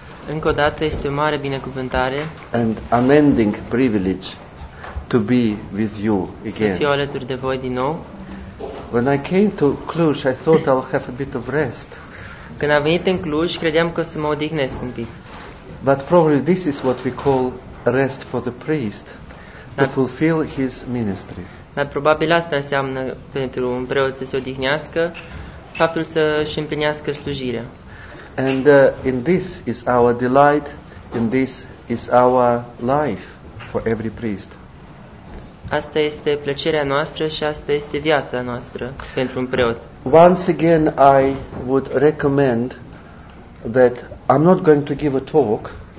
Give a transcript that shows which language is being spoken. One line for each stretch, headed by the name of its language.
Romanian: Încă o dată este o mare binecuvântare.
English: And unending privilege to be with you again.
Romanian: Să fiu alături de voi din nou.
English: When I came to Cluj, I thought I'll have a bit of rest.
Romanian: Când am venit în Cluj, credeam că o să mă odihnesc un pic.
English: But probably this is what we call rest for the priest to fulfill his ministry.
Romanian: Dar probabil asta înseamnă pentru un preot să se odihnească, faptul să își împlinească slujirea.
English: And in this is our delight, in this is our life for every priest.
Romanian: Asta este plăcerea noastră și asta este viața noastră pentru un preot.
English: Once again, I would recommend that I'm not going to give a talk.